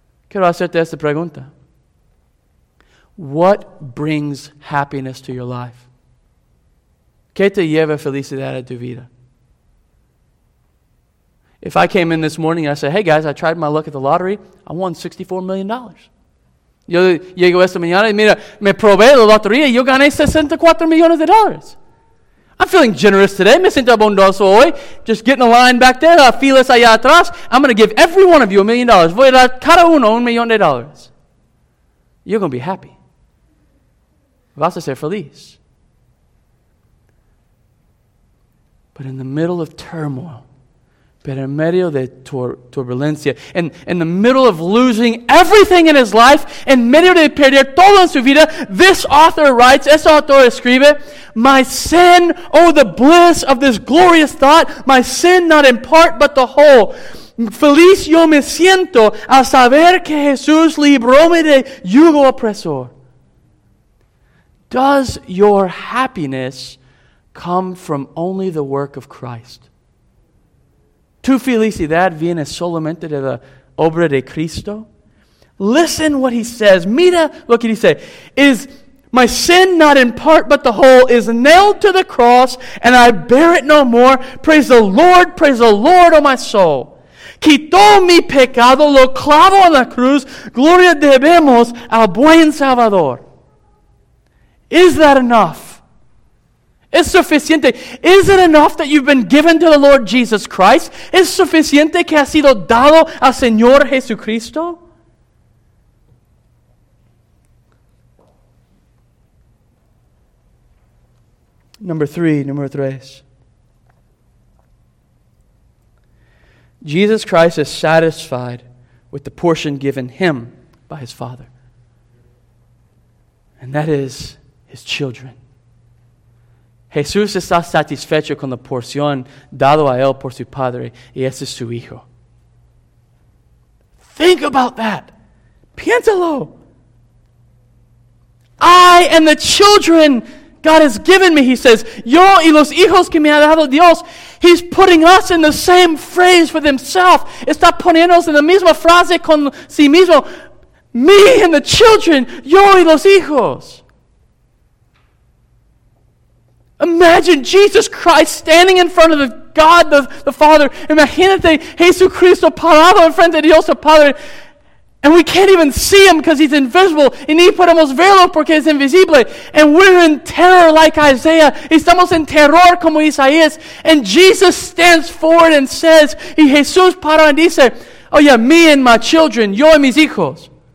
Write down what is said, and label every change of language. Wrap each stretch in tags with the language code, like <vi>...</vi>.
<es>Quiero hacerte esta pregunta.</es> <en>What brings happiness to your life?</en> <es>¿Qué te lleva felicidad a tu vida?</es> <en>If I came in this morning and I said, hey guys, I tried my luck at the lottery, I won $64 million.</en> <es>Yo llego esta mañana y mira, me probé la lotería y yo gané 64 millones de dólares.</es> <en>I'm feeling generous today.</en> <es>Me siento abundoso hoy.</es> <en>Just getting the line back there.</en> <es>Filas allá atrás.</es> <en>I'm going to give every one of you $1 million.</en> <es>Voy a dar cada uno $1 million.</es> <en>You're going to be happy.</en> <es>Vas a ser feliz.</es> <en>But in the middle of turmoil,</en> <es>pero en medio de turbulencia,</es> <en>in the middle of losing everything in his life,</en> <es>en medio de perder todo en su vida,</es> <en>this author writes,</en> <es>este autor escribe,</es> <en>my sin, oh the bliss of this glorious thought, my sin not in part but the whole.</en> <es>Feliz yo me siento a saber que Jesús libró me de yugo opresor.</es> <en>Does your happiness come from only the work of Christ?</en> <es>Tu felicidad viene solamente de la obra de Cristo.</es> <en>Listen what he says.</en> <es>Mira lo que</es> <en>he says. Is my sin not in part but the whole is nailed to the cross and I bear it no more. Praise the Lord, oh my soul.</en> <es>Quitó mi pecado, lo clavo en la cruz. Gloria debemos al buen Salvador.</es> <en>Is that enough?</en> <es>Es suficiente.</es> <en>Is it enough that you've been given to the Lord Jesus Christ?</en> <es>Es suficiente que has sido dado al Señor Jesucristo? Número tres.</es> <en>Jesus Christ is satisfied with the portion given him by his Father. And that is his children.</en> <es>Jesús está satisfecho con la porción dado a él por su Padre, y ese es su Hijo.</es> <en>Think about that.</en> <es>Piénsalo.</es> <en>I and the children God has given me, he says.</en> <es>Yo y los hijos que me ha dado Dios.</es> <en>He's putting us in the same phrase with himself.</en> <es>Está poniéndonos en la misma frase con sí mismo.</es> <en>Me and the children.</en> <es>Yo y los hijos.</es> <en>Imagine Jesus Christ standing in front of God, the Father.</en> <es>Imagínate Jesucristo parado en frente de Dios, el Padre.</es> <en>And we can't even see him because he's invisible.</en> <es>Y ni podemos verlo porque es invisible.</es> <en>And we're in terror like Isaiah.</en> <es>Estamos en terror como Isaías.</es> <en>And Jesus stands forward and says,</en> <es>y Jesús para y dice,</es> <en>oh yeah, me and my children,</en> <es>yo y mis hijos.</es>